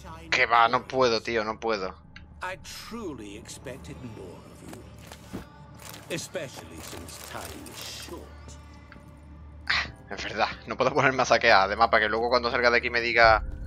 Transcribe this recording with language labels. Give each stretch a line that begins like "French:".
Spanish: Que va, no puedo, tío, no puedo.
English: I truly expected more of you. Especially since time is short.
Spanish: Es verdad, no puedo ponerme a saquear. Además, para que luego cuando salga de aquí me diga.